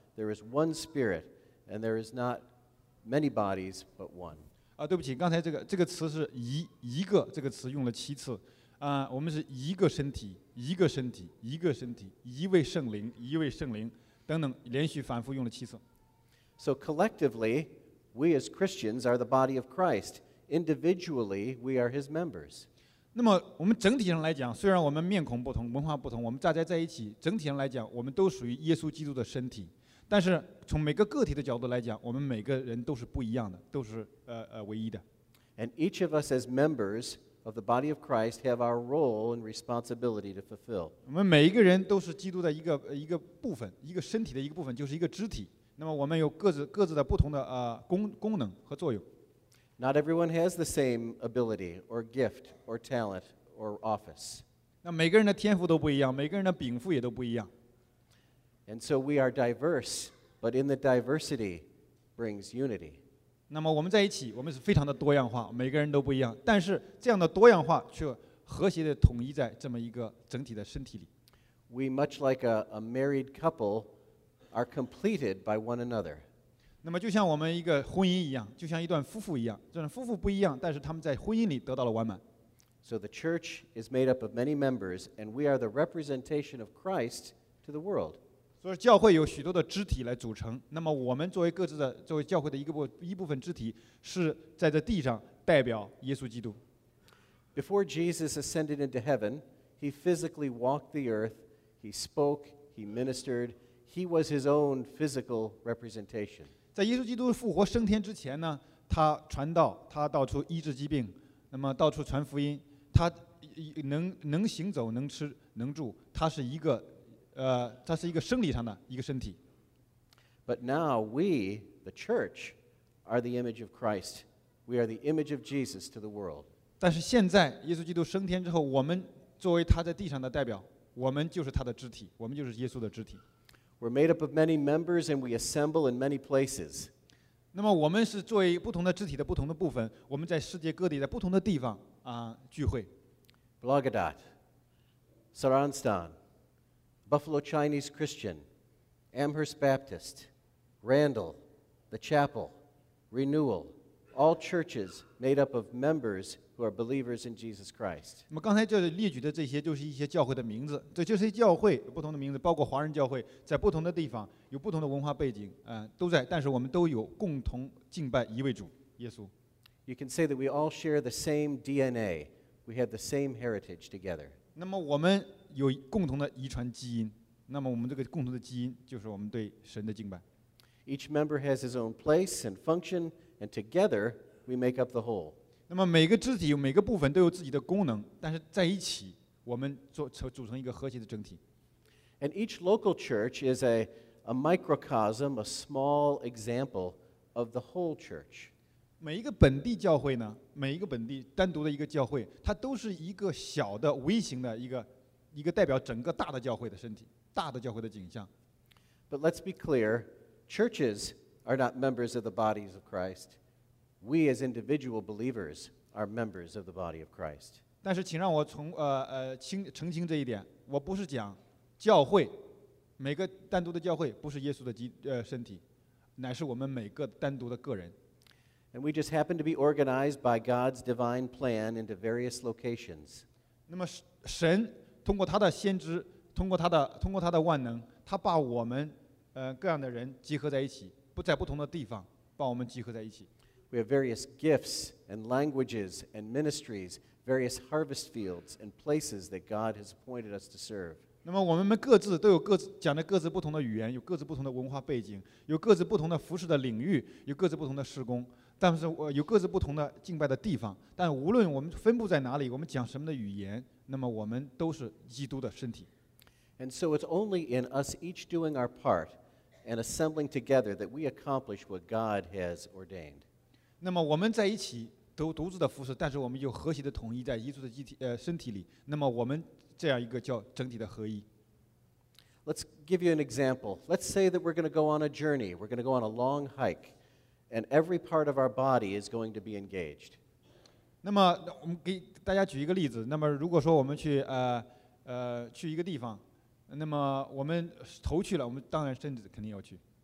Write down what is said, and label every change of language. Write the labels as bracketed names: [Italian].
[English] There is one spirit, and there is not many bodies but one. [Chinese] 对不起，刚才这个词是一个这个词用了七次。我们是一个身体，一个身体，一个身体，一位圣灵，一位圣灵，等等，连续反复用了七次。 [English] So collectively, we as Christians are the body of Christ. Individually, we are His members. [Chinese] 那么我们整体上来讲，虽然我们面孔不同，文化不同，我们站在一起，整体上来讲，我们都属于耶稣基督的身体。但是从每个个体的角度来讲，我们每个人都是不一样的，都是唯一的。 [English] And each of us as members. Of the body of Christ have our role and responsibility to fulfill. [Chinese] 我们每一个人都是基督的一个部分，一个身体的一个部分，就是一个肢体。那么我们有各自的不同的功能和作用。 [English] Not everyone has the same ability or gift or talent or office. [Chinese] 那每个人的天赋都不一样，每个人的禀赋也都不一样。 [English] And so we are diverse, but in the diversity brings unity. [Chinese] 那么我们在一起，我们是非常的多样化，每个人都不一样，但是这样的多样化却和谐的统一在这么一个整体的身体里。 [English] We much like a married couple are completed by one another. [Chinese] 那么就像我们一个婚姻一样，就像一段夫妇一样，就是夫妇不一样，但是他们在婚姻里得到了完满。 [English] So the church is made up of many members, and we are the representation of Christ to the world. [Chinese] 所以教会有许多的肢体来组成，那么我们作为各自的作为教会的一部分肢体，是在这地上代表耶稣基督。 [English] Before Jesus ascended into heaven, he physically walked the earth, he spoke, he ministered, he was his own physical representation. [Chinese] 在耶稣基督复活升天之前呢，他传道，他到处医治疾病，那么到处传福音，他能行走，能吃能住，他是一个。它是一个生理上的一个身体。 [English] But now we, the church, are the image of Christ. We are the image of Jesus to the world. [Chinese] 但是现在，耶稣基督升天之后，我们作为他在地上的代表，我们就是他的肢体，我们就是耶稣的肢体。 [English] We're made up of many members and we assemble in many places. [Chinese] 那么我们是作为不同的肢体的不同的部分，我们在世界各地在不同的地方聚会。 [English] Blagadat, Saransdan, Buffalo Chinese Christian, Amherst Baptist, Randall, the Chapel, Renewal, all churches made up of members who are believers in Jesus Christ. [Chinese] 那么刚才就列举的这些就是一些教会的名字，这就是教会有不同的名字，包括华人教会，在不同的地方有不同的文化背景，都在，但是我们都有共同敬拜一位主，耶稣。 [English] You can say that we all share the same DNA. We have the same heritage together. [Chinese] 那么我们有共同的遗传基因，那么我们这个共同的基因就是我们对神的敬拜。 [English] Each member has his own place and function, and together we make up the whole. [Chinese] 那么每个肢体每个部分都有自己的功能，但是在一起我们组成一个和谐的整体。 [English] And each local church is a microcosm, a small example of the whole church. [Chinese] 每一个本地教会呢，每一个本地单独的一个教会，它都是一个小的微型的一个代表整个大的教会的身体，大的教会的景象。 [English] But let's be clear. Churches are not members of the bodies of Christ. We as individual believers are members of the body of Christ. [Chinese] 但是请让我澄清这一点，我不是讲教会，每个单独的教会不是耶稣的身体，乃是我们每个单独的个人。 [English] And we just happen to be organized by God's divine plan into various locations. [Chinese] 那么神通过他的先知，通过他的万能，他把我们各样的人集合在一起，不在不同的地方，把我们集合在一起。 [English] We have various gifts and languages and ministries, various harvest fields and places that God has appointed us to serve. [Chinese] 那么我们各自都有各自讲的各自不同的语言，有各自不同的文化背景，有各自不同的服事的领域，有各自不同的事工，但是有各自不同的敬拜的地方。但无论我们分布在哪里，我们讲什么的语言，那么我们都是基督的身体。 [English] And so it's only in us each doing our part and assembling together that we accomplish what God has ordained. [Chinese] 那么我们在一起独自的服事，但是我们又和谐的统一在耶稣的身体里。那么我们这样一个叫整体的合一。 [English] Let's give you an example. Let's say that we're going to go on a journey. We're going to go on a long hike, and every part of our body is going to be engaged. [Chinese] 那么我们给大家举一个例子。那么如果说我们去一个地方。那么我们头去了，我们当然身子肯定要去。